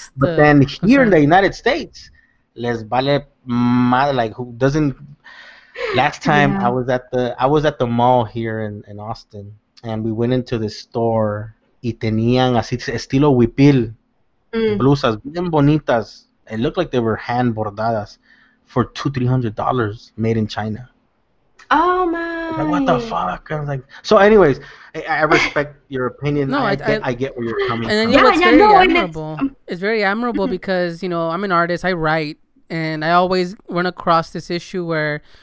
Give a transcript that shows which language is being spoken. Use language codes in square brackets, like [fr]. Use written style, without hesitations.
[en] In the United States, [es] les vale madre, [en] like, who doesn't, last time. I was at the mall here in Austin. And we went into the store, [es] y tenían así estilo huipil, blusas bien bonitas. [en] It looked like they were hand bordadas for $200-$300 made in China. Oh my! Like, what the fuck? I was like, so anyways, I respect your opinion. No, I get where you're coming and from. And you know, it's very admirable because, you know, I'm an artist. I write, and I always run across this issue where